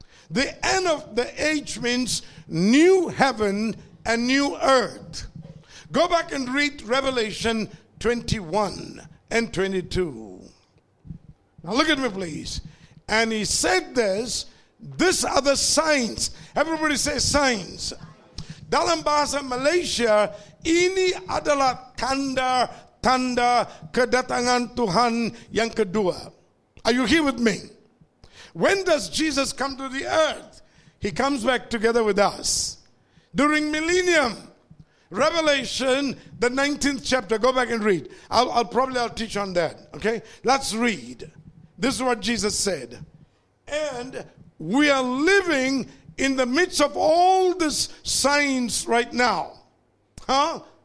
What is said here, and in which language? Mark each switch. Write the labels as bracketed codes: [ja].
[en] The end of the age means new heaven and new earth. Go back and read Revelation 21 and 22. Now look at me, please. And he said this, these are the signs. Everybody say signs. [ms] Dalam bahasa Malaysia, ini adalah tanda-tanda kedatangan Tuhan yang kedua. [en] Are you here with me? When does Jesus come to the earth? He comes back together with us. During millennium. Revelation, the 19th chapter. Go back and read. I'll probably teach on that. Okay? Let's read. This is what Jesus said. And we are living in the midst of all these signs right now. Huh?